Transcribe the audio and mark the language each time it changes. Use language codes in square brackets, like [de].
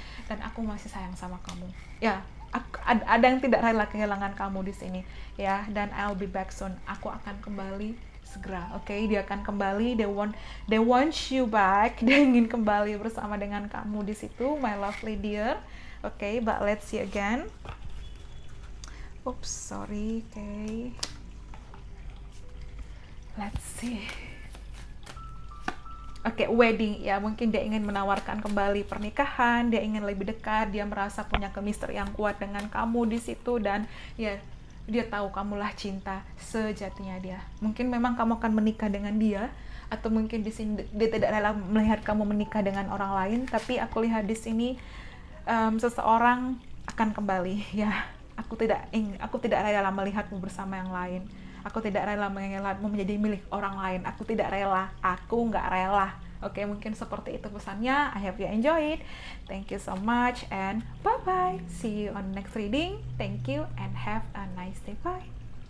[id] Dan aku masih sayang sama kamu. Ya, ada yang tidak rela kehilangan kamu di sini. Ya, dan [en] I'll be back soon. [id] Aku akan kembali segera, oke? Okay? Dia akan kembali. [en] They want you back. [id] Dia ingin kembali bersama dengan kamu di situ, [en] my lovely dear. Oke, okay, but let's see again. Oops, sorry. Oke, okay. Let's see. [id] Oke, okay, wedding ya. Mungkin dia ingin menawarkan kembali pernikahan. Dia ingin lebih dekat. Dia merasa punya chemistry yang kuat dengan kamu di situ, dan ya. Yeah, dia tahu kamulah cinta sejatinya dia. Mungkin memang kamu akan menikah dengan dia, atau mungkin di sini dia tidak rela melihat kamu menikah dengan orang lain. Tapi aku lihat di sini seseorang akan kembali. Ya, aku tidak rela melihatmu bersama yang lain. Aku tidak rela melihatmu menjadi milik orang lain. Aku tidak rela. Aku nggak rela. Okay, mungkin seperti itu pesannya. [en] I hope you enjoy it. Thank you so much and bye-bye. See you on next reading. Thank you and have a nice day. Bye.